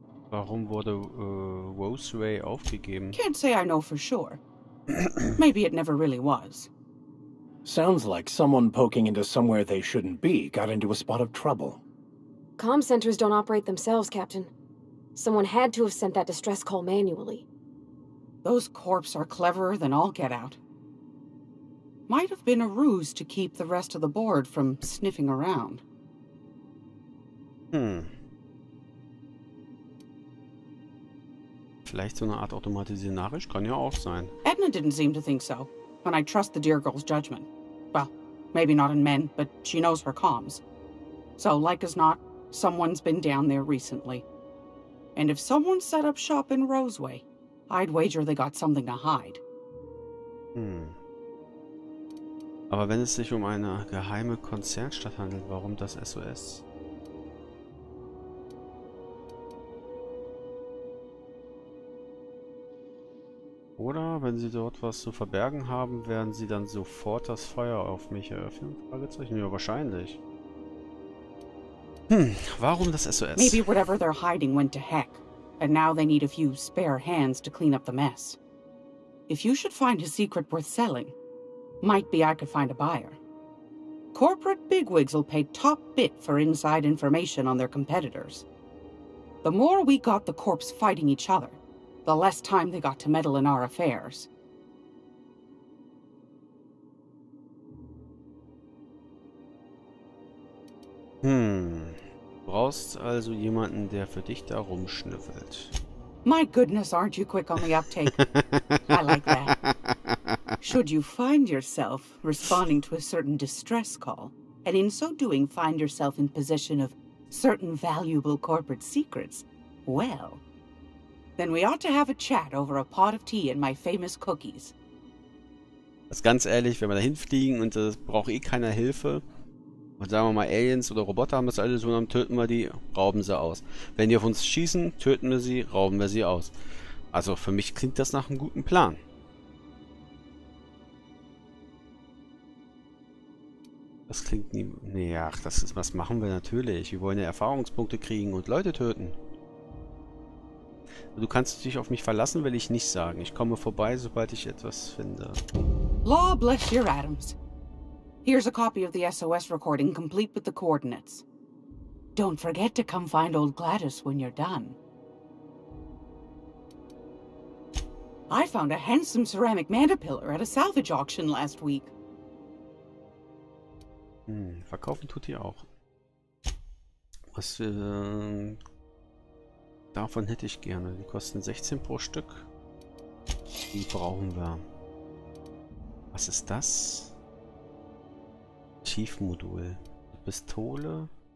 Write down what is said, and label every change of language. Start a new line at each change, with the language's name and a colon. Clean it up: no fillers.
German: Warum wurde Roseway aufgegeben?
English: Can't say I know for sure. Maybe it never really was. Sounds like someone poking into somewhere they shouldn't be got into a spot of trouble. Comm centers don't operate themselves, Captain. Someone had to have sent that distress call manually. Those corps are cleverer than all get out. Might have been a ruse to keep the rest of the board from sniffing around. Hm.
German: Vielleicht so eine Art automatisierte Nachricht? Kann ja auch sein.
English: Edna didn't seem to think so, and I trust the dear girl's judgment. Well, maybe not in men, but she knows her comms. So, like as not, someone's been down there recently. And if someone set up shop in Roseway, I'd wager they got something to hide. Hm.
German: Aber wenn es sich um eine geheime Konzernstadt handelt, warum das SOS? Oder wenn sie dort was zu verbergen haben, werden sie dann sofort das Feuer auf mich eröffnen? Fragezeichen? Ja, wahrscheinlich. Hm, warum das SOS?
English: Maybe whatever they're hiding went to heck, and now they need a few spare hands to clean up the mess. If you should find a secret worth selling, might be I could find a buyer. Corporate bigwigs will pay top bit for inside information on their competitors. The more we got the corps fighting each other, the less time they got to meddle in our affairs. Hm.
German: Brauchst also jemanden, der für dich da rumschnüffelt.
English: My goodness, aren't you quick on the uptake? I like that. Should you find yourself responding to a certain distress call, and in so doing find yourself in possession of certain valuable corporate secrets, well, then we ought to have a chat over a pot of tea and my famous cookies.
German: Das ist ganz ehrlich, wenn wir da hinfliegen und das braucht eh keiner Hilfe. Und sagen wir mal, Aliens oder Roboter haben das alles und dann töten wir die, rauben sie aus. Wenn die auf uns schießen, töten wir sie, rauben wir sie aus. Also für mich klingt das nach einem guten Plan. Das klingt nie. Nee, ach, das ist, was machen wir natürlich. Wir wollen ja Erfahrungspunkte kriegen und Leute töten. Du kannst dich auf mich verlassen, will ich nicht sagen. Ich komme vorbei, sobald ich etwas finde.
English: Law bless your Adams. Here's a copy of the SOS recording, complete with the coordinates. Don't forget to come find old Gladys when you're done. I found a handsome ceramic mandapillar at a salvage auction last week.
German: Hm, verkaufen tut die auch. Was für... Davon hätte ich gerne. Die kosten 16 pro Stück. Die brauchen wir. Was ist das? Tiefmodul. Pistole.